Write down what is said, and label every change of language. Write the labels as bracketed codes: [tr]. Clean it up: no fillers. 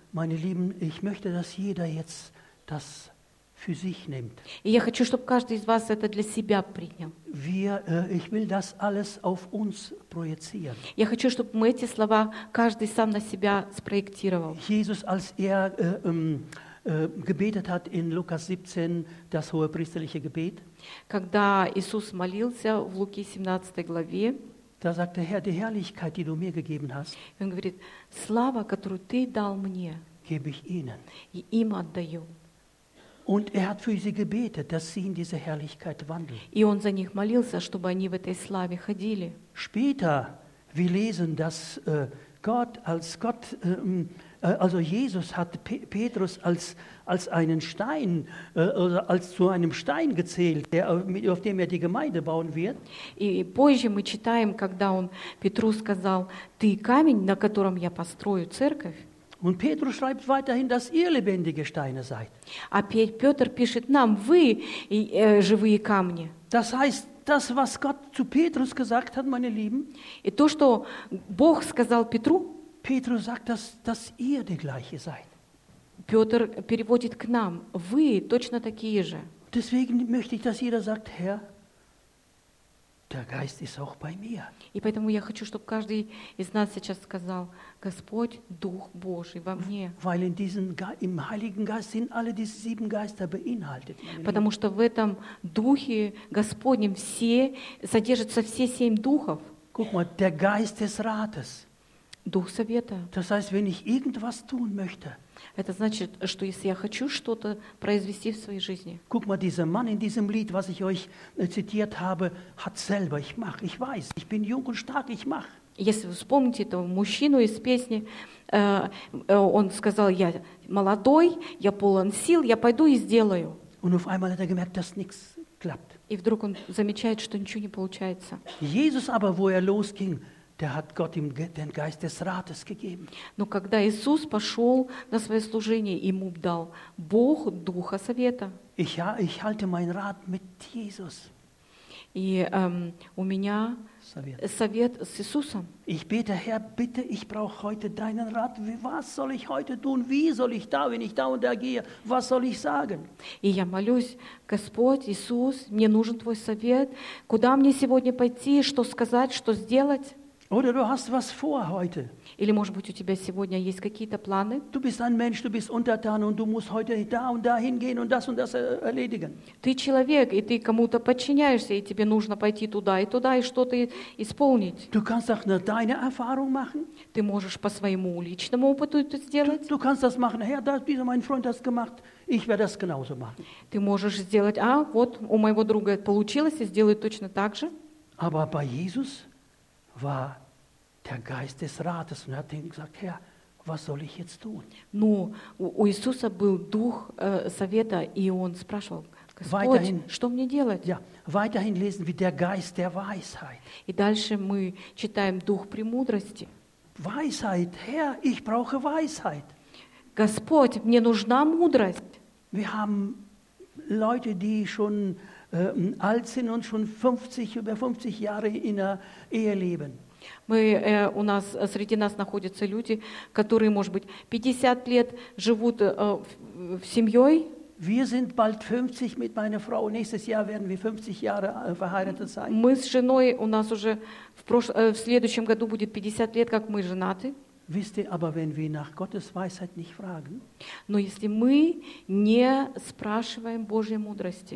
[de] Meine Lieben, ich möchte, dass jeder jetzt das für sich nimmt. [ru] И я хочу, чтобы каждый из вас это для себя принял. [de] Ich will das alles auf uns projizieren. [ru] Я хочу, чтобы мы эти слова каждый сам на себя спроектировал. [de] Jesus, als er gebetet hat in Lukas 17, das hohe priesterliche Gebet, [ru] когда Иисус молился в Луки 17 главе, [de] da sagt der Herr, die Herrlichkeit, die du mir gegeben hast, [ru] он говорит, слава, которую ты дал мне, [de] gebe ich ihnen. [ru] И им отдаю. [de] Und er hat für sie gebetet, dass sie in diese Herrlichkeit wandeln. [ru] И он за них молился, чтобы они в этой славе ходили. [de] Später, wir lesen, dass Gott als Gott, also Jesus hat Petrus als einen Stein, als zu einem Stein gezählt, auf dem er die Gemeinde bauen wird. [ru] И позже мы читаем, когда он Петру сказал: «Ты камень, на котором я построю церковь». [de] Und Petrus schreibt weiterhin, dass ihr lebendige Steine seid. [ru] А Петр пишет нам: «Вы живые камни». [de] Das heißt, das, was Gott zu Petrus gesagt hat, meine Lieben. [ru] И то, что Бог сказал Петру. [de] Petrus sagt, dass ihr die gleiche seid. [ru] Петр переводит к нам: «Вы точно такие же». [de] Deswegen möchte ich, dass jeder sagt: Herr, der Geist ist auch bei mir. [ru] И поэтому я хочу, чтобы каждый из нас сейчас сказал: Господь, Дух Божий во мне. [de] Weil in diesem im Heiligen Geist sind alle diese sieben Geister beinhaltet. [ru] Потому что в этом духе Господнем все содержатся все семь духов. [de] Guck mal, der Geist des Rates. [ru] Дух совета. [de] Das heißt, wenn ich irgendwas tun möchte. [ru] Это значит, что если я хочу что-то произвести в своей жизни. [de] Guck mal, dieser Mann in diesem Lied, was ich euch zitiert habe, hat selber. Ich mache. Ich weiß. Ich bin jung und stark. Ich mache. [ru] Если вы вспомните этого мужчину из песни, он сказал: «Я молодой, я полон сил, я пойду и сделаю». [de] Und auf einmal hat er gemerkt, dass nichts klappt. [ru] И вдруг он замечает, что ничего не получается. [de] Jesus aber, wo er losging, der hat Gott ihm den Geist des Rates gegeben. [ru] Но когда Иисус пошел на свое служение, ему дал Бог Духа Совета. [de] Ich halte mein Rat mit Jesus. [ru] И у меня Совет с Иисусом. [de] Ich bete, Herr, bitte, ich brauche heute deinen Rat. Was soll ich heute tun? Wie soll ich da, wenn ich da und da gehe? Was soll ich sagen? [ru] И я молюсь: Господь Иисус, мне нужен твой совет. Куда мне сегодня пойти? Что сказать? Что сделать? [de] Oder du hast was vor heute. [ru] Или, может быть, у тебя сегодня есть какие-то планы? [de] Du bist ein Mensch, du bist untertan und du musst heute da und da hingehen und das erledigen. [ru] Ты человек, и ты кому-то подчиняешься, и тебе нужно пойти туда и туда и что-то исполнить. [de] Du kannst auch nur deine Erfahrung machen. [ru] Ты можешь по своему личному опыту это сделать. [de] Du kannst das machen. Herr, da, dieser mein Freund hat's gemacht. Ich werde das genauso machen. [ru] Ты можешь сделать, а вот у моего друга получилось, и сделай точно так же. [de] Aber bei Jesus war der Geist des Rates und hat ihm gesagt, Herr, was soll ich jetzt tun? [ru] Но у Иисуса был дух совета, и он спрашивал, Господь, что мне делать? [de] Ja, weiterhin lesen wir der Geist der Weisheit. [ru] И дальше мы читаем дух премудрости. [de] Weisheit, Herr, ich brauche Weisheit. [ru] Господь, мне нужна мудрость. [de] Wir haben Leute, die schon alt sind und schon 50, über 50 Jahre in der Ehe leben. [ru] Мы, у нас, среди нас находятся люди, которые, может быть, 50 лет живут в семьёй. [de] Wir sind bald 50 mit meiner Frau. Nächstes Jahr werden wir 50 Jahre verheiratet sein. [ru] Мы с женой, у нас уже в следующем году будет 50 лет, как мы женаты. [de] Wisst ihr, aber wenn wir nach Gottes Weisheit nicht fragen, [ru] но если мы не спрашиваем Божьей мудрости,